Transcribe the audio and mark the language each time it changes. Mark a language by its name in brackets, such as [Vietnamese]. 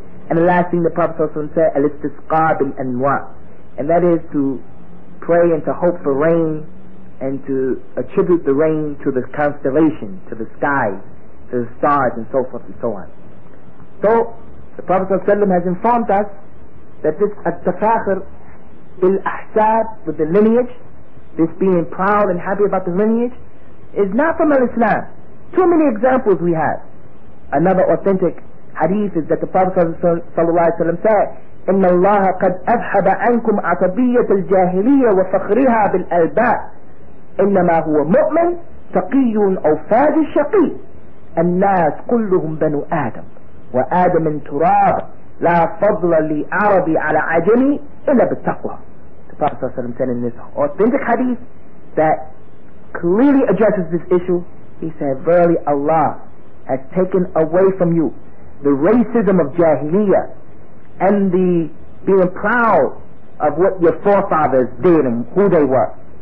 [English] And the last thing the Prophet said, al-istisqa bil-anwa, and that is to pray and to hope for rain, and to attribute the rain to the constellation, to the sky, to the stars, and so forth and so on. So the Prophet ﷺ has informed us that this at-tafakhur bil-ahsab, with the lineage, this being proud and happy about the lineage, is not from al-Islam. Too many examples we have. Another authentic hadith is that the Prophet ﷺ said, [Arabic] إِنَّ اللَّهَ قَدْ أَذْحَبَ عَنْكُمْ عَصَبِيَّةَ الْجَاهِلِيَّةِ وَفَخْرِهَا بِالْأَلْبَاءِ إنما هو مؤمن تقي أو فاجر شقي. الناس كلهم بنو آدم وآدم من تراب لا فضل لعربي على عجمي إلا بالتقوى. [English] The Prophet ﷺ said in this authentic hadith that clearly addresses this issue. He said, verily Allah has taken away from you the racism of Jahiliyyah and the being proud of what your forefathers did and who they were.